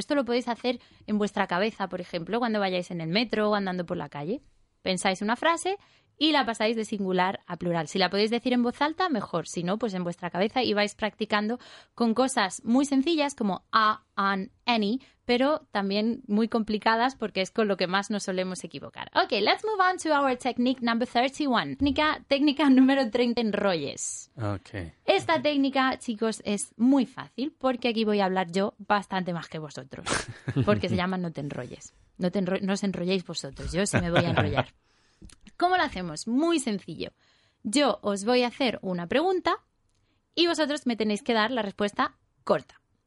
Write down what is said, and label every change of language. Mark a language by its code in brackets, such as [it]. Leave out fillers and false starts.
[es] Esto lo podéis hacer en vuestra cabeza, por ejemplo, cuando vayáis en el metro o andando por la calle. Pensáis una frase y la pasáis de singular a plural. Si la podéis decir en voz alta, mejor. Si no, pues en vuestra cabeza y vais practicando con cosas muy sencillas como a, an, any, pero también muy complicadas porque es con lo que más nos solemos equivocar. [en] Ok, let's move on to our technique number 31. [es] Técnica número 30, enrolles. [en] Ok. [es] Esta técnica, chicos, es muy fácil porque aquí voy a hablar yo bastante más que vosotros. Porque se llama no te enrolles. No os enrolléis vosotros, yo sí me voy a enrollar. ¿Cómo lo hacemos? Muy sencillo. Yo os voy a hacer una pregunta y vosotros me tenéis que dar la respuesta corta.